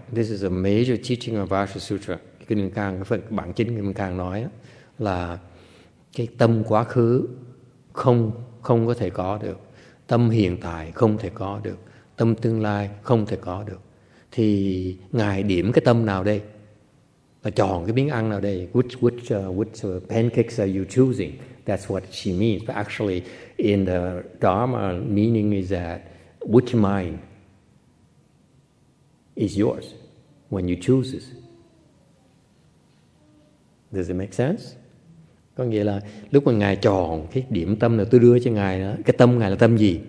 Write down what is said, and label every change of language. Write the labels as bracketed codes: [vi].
[en] this is a major teaching of Vajra Sutra. [vi] Kim Cang, cái phần bản chính Kim Cang nói đó, là cái tâm quá khứ không có thể có được, tâm hiện tại không thể có được, tâm tương lai không thể có được. Thì Ngài điểm cái tâm nào đây? Là chọn cái miếng ăn nào đây? [en] Which pancakes are you choosing? That's what she means. But actually, in the Dharma, meaning is that which mind is yours when you choose it? Does it make sense? [vi] Có nghĩa là lúc mà Ngài chọn cái điểm tâm nào tôi đưa cho Ngài đó, cái tâm Ngài là tâm gì?